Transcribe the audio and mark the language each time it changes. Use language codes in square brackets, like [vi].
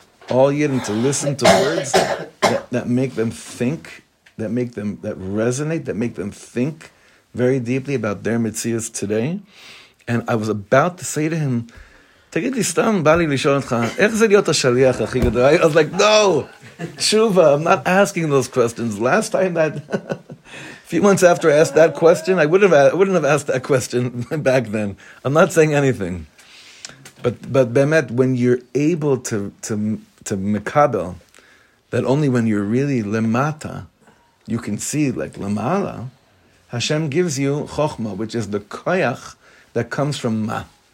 [en] All Yidden to listen to words that make them think, that resonate, that make them think very deeply about their Metzias today. And I was about to say to him, [he] תגיד לי, סתם בא לי לשאול אותך, איך זה להיות השליח הכי גדול? [en] I was like, no, תשובה, I'm not asking those questions. Last time that, a few months after I asked that question, I wouldn't have asked that question back then. I'm not saying anything. But באמת, when you're able to מקבל, that only when you're really למטה, you can see, like, למעלה, Hashem gives you חוכמה, which is the koyach that comes from מה.